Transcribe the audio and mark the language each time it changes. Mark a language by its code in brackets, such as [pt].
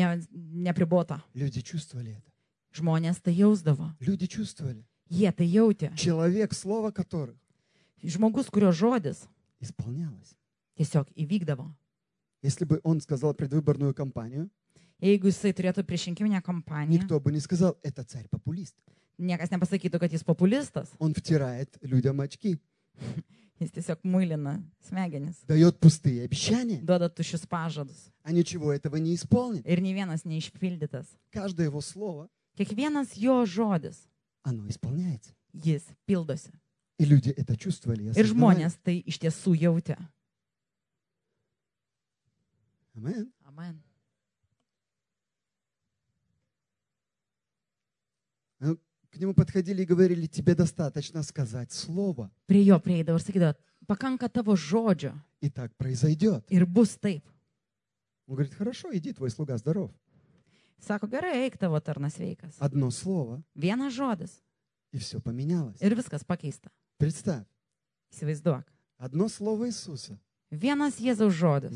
[lt] Neapribota. [ru] Люди чувствовали это. [lt] Žmonės tai jausdavo. [ru] Люди чувствовали. [lt] Jie tai jautė. [ru] Человек, слово которых. [lt] Žmogus, kurio žodis. [ru] Исполнялось. [lt] Tiesiog įvykdavo. [ru] Если бы он сказал предвыборную кампанию, [lt] jeigu jisai turėtų priešrinkiminę kampaniją, [ru] никто бы не сказал, это царь популист. [lt] Niekas nepasakytų, kad jis populistas. [ru] Он втирает людям очки. [lt] Jis tiesiog мылина смегенис. [ru] Дает пустые обещания. [lt] Duoda tuščius pažadus. [ru] А ничего этого не исполнит. [lt] Ir nė vienas neišpildytas. [ru] Каждое его слово. [lt] Kiekvienas jo žodis. [ru] Оно исполняется. [lt] Jis pildosi. [ru] И люди это чувствовали. [lt] Ir žmonės tai iš tiesų jautė. Amen. Amen. [ru] К нему подходили и говорили: тебе достаточно сказать слово. [lt] Prie jo prieidavo ir sakydavo: pakanka tavo žodžio. [ru] И так произойдет. [lt] Ir bus taip. [ru] Он говорит: хорошо, иди, твой слуга здоров. [lt] Sako, gerai, eik, tavo tarnas sveikas. [ru] Одно слово. [lt] Vienas žodis. [ru] И все поменялось. [lt] Ir viskas pakeista. [ru] Представь. [lt] Įsivaizduok. [ru] Одно слово Иисуса. [lt] Vienas Jėzaus žodis.